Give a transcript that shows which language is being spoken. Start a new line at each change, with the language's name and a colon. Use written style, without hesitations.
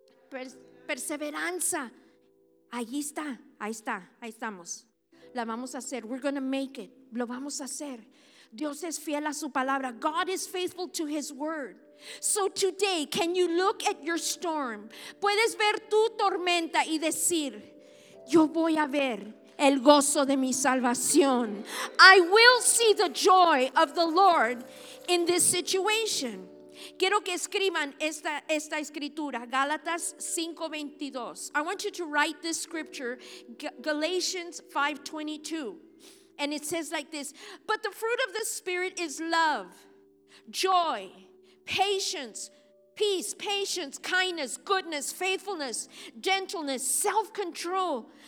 Spanish: Perseveranza. Ahí estamos. La vamos a hacer.
English: We're going to make it.
Spanish: Lo vamos a hacer. Dios es fiel a su palabra.
English: God is faithful to his word. So today, can you look at your storm?
Spanish: Puedes ver tu tormenta y decir, yo voy a ver el gozo de mi salvación.
English: I will see the joy of the Lord in this situation.
Spanish: Quiero que escriban esta escritura, Gálatas 5:22.
English: I want you to write this scripture, Galatians 5:22. And it says like this, but the fruit of the Spirit is love, joy, patience, peace, patience, kindness, goodness, faithfulness, gentleness, self-control.